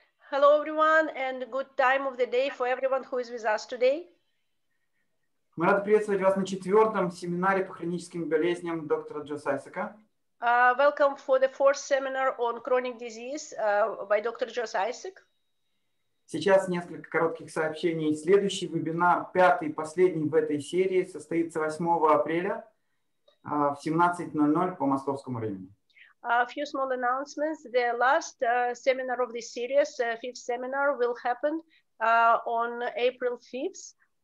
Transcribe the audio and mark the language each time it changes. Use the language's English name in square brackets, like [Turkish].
[English] Hello everyone and good time of the day for everyone who is with us today. [Russian] Мы рады приветствовать вас на четвертом семинаре по хроническим болезням доктора Джоса Айсека. [English] Welcome for the fourth seminar on chronic disease by Dr. [Russian] Джос Айсек. Сейчас несколько коротких сообщений. Следующий вебинар, пятый, последний в этой серии, состоится 8 апреля в 17:00 по московскому времени. [English] A few small announcements. The last seminar of this series, fifth seminar, will happen on April 5th.